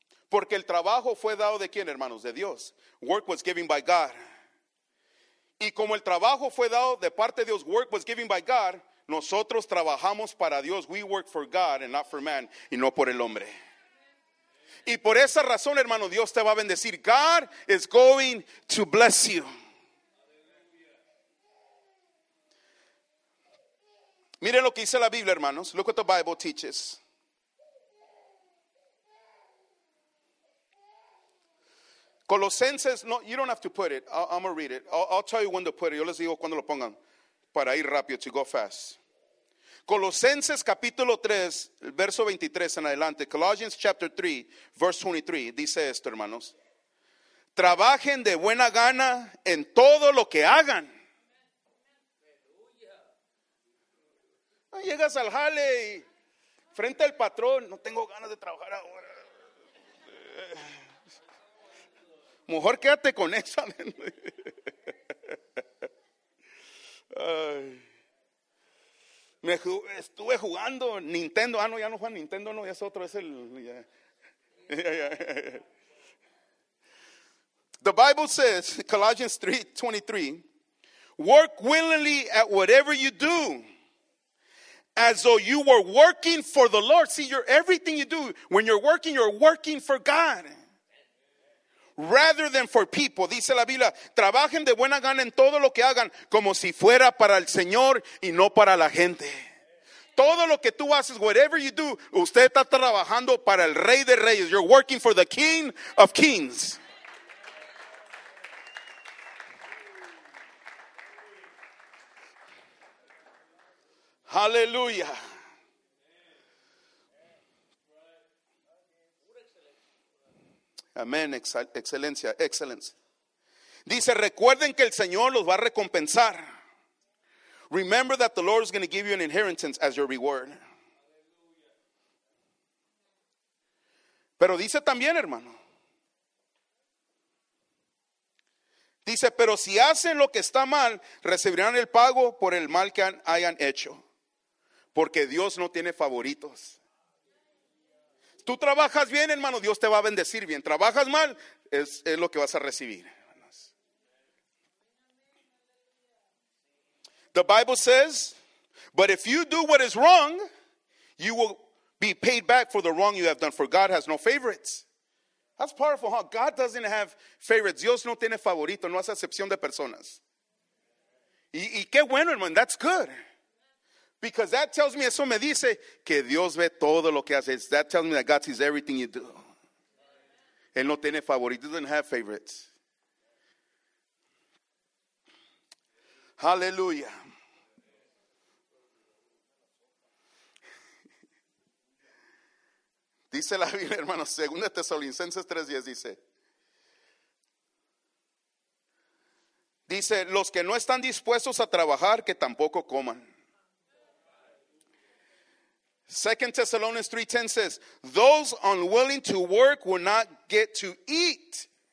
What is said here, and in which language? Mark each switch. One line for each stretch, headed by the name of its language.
Spanish: Porque el trabajo fue dado de quién, hermanos? De Dios.
English: Work was given by God.
Spanish: Y como el trabajo fue dado de parte de Dios,
English: work was given by God,
Spanish: nosotros trabajamos para Dios.
English: We work for God and not for man,
Spanish: y no por el hombre. Y por esa razón, hermano, Dios te va a bendecir.
English: God is going to bless you.
Spanish: Miren lo que dice la Biblia, hermanos.
English: Look what the Bible teaches. Colosenses, no, you don't have to put it. I'm going to read it. I'll tell you when to put it.
Spanish: Yo les digo cuando lo pongan para ir rápido,
English: to go fast.
Spanish: Colosenses capítulo 3, verso 23 en adelante.
English: Colossians chapter 3, verse 23.
Spanish: Dice esto, hermanos. Trabajen de buena gana en todo lo que hagan. Llegas al jale y frente al patrón, no tengo ganas de trabajar ahora. Mejor quédate con esa. Ay. Me estuve jugando Nintendo. Ah, no, ya no juega Nintendo, no, ya es otro, es el.
English: The Bible says, Colossians 3:23, work willingly at whatever you do, as though you were working for the Lord. See, your everything you do, when you're working for God. Rather than for people,
Spanish: dice la Biblia, trabajen de buena gana en todo lo que hagan, como si fuera para el Señor y no para la gente. Todo lo que tú haces,
English: whatever you do,
Spanish: usted está trabajando para el Rey de Reyes.
English: You're working for the King of Kings.
Spanish: Aleluya. Amén, excelencia, excelencia. Dice, recuerden que el Señor los va a recompensar. Remember that the Lord is going to give you an inheritance as your reward. Pero dice también, hermano. Dice, pero si hacen lo que está mal, recibirán el pago por el mal que hayan hecho. Porque Dios no tiene favoritos. Tú trabajas bien, hermano, Dios te va a bendecir bien. Trabajas mal, es lo que vas a recibir.
English: The Bible says, but if you do what is wrong, you will be paid back for the wrong you have done. For God has no favorites. That's powerful, huh? God doesn't have favorites.
Spanish: Dios no tiene favorito, no hace excepción de personas. Y qué bueno, hermano,
English: that's good. Because that tells me,
Spanish: eso me dice, que Dios ve todo lo que haces.
English: That tells me that God sees everything you do.
Spanish: Él no tiene favoritos.
English: He doesn't have favorites. Hallelujah.
Spanish: Dice la Biblia, hermanos, segunda Tesalonicenses 3:10 dice. Dice, los que no están dispuestos a trabajar, que tampoco coman.
English: 2 Thessalonians 3:10 says, those unwilling to work will not get to eat.